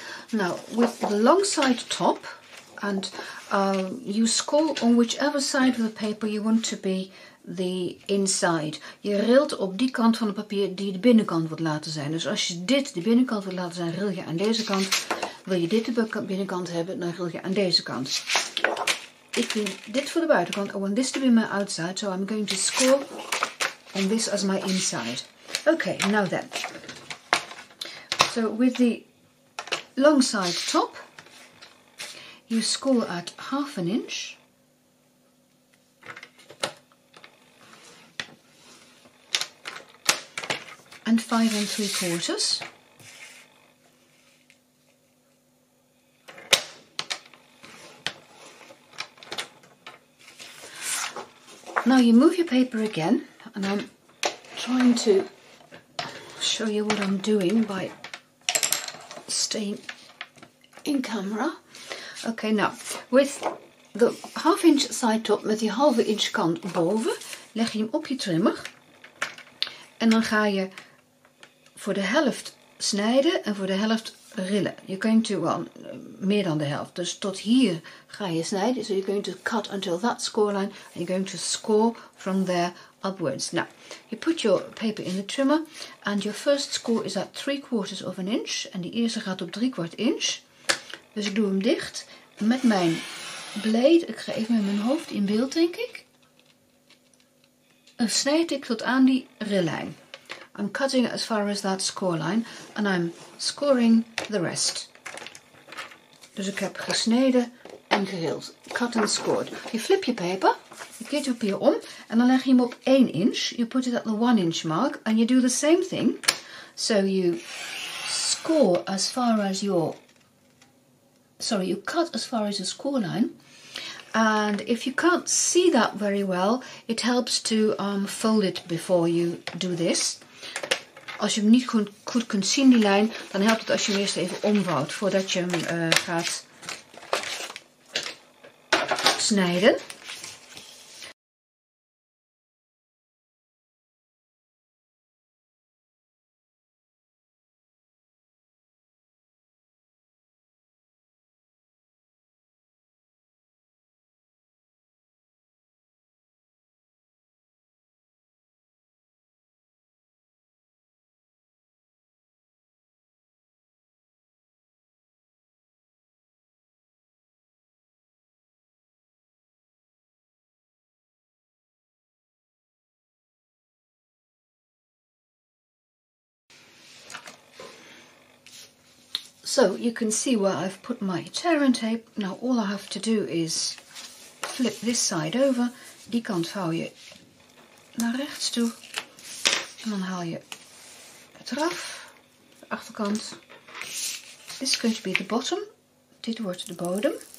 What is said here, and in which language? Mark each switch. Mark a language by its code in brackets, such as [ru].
[en] Now, with the long side top, and you score on whichever side of the paper you want to be the inside. [nl] Je rilt op die kant van het papier die de binnenkant wilt laten zijn. Dus als je dit de binnenkant wilt laten zijn, ril je aan deze kant. Wil je dit de binnenkant hebben, dan ril je aan deze kant. Ik doe dit voor de buitenkant. [en] I want this to be my outside, so I'm going to score on this as my inside. Okay, now then. So with the long side top, you score at 1/2 inch. And 5 3/4. Now you move your paper again, and I'm trying to show you what I'm doing by staying in camera. Okay, now with the 1/2 inch side top, [nl] met die 1/2 inch kant boven, leg je hem op je trimmer, en dan ga je voor de helft snijden en voor de helft rillen. [en] You're going to, well, [nl] meer dan de helft. Dus tot hier ga je snijden. [en] So you're going to cut until that score line. And you're going to score from there upwards. Now, you put your paper in the trimmer. And your first score is at 3/4 inch. [nl] En die eerste gaat op 3/4 inch. Dus ik doe hem dicht met mijn blade. Ik ga even met mijn hoofd in beeld, denk ik. En snijd ik tot aan die rillijn. [en] I'm cutting as far as that score line and I'm scoring the rest. [nl] Dus ik heb gesneden en gerild. [en] Cut and scored. You flip your paper, [nl] you keert your papier om en dan leg je hem op 1 inch. [en] You put it at the 1 inch mark and you do the same thing. So you score as far as your, sorry, you cut as far as your score line. And if you can't see that very well, it helps to fold it before you do this. [nl] Als je hem niet goed kunt zien, die lijn, dan helpt het als je hem eerst even omvouwt voordat je hem gaat snijden. [en] So you can see where I've put my tear and tape. Now all I have to do is flip this side over. [nl] Die kant vouw je naar rechts toe. En dan haal je het eraf, de achterkant. [en] This is going to be the bottom. [nl] Dit wordt de bodem.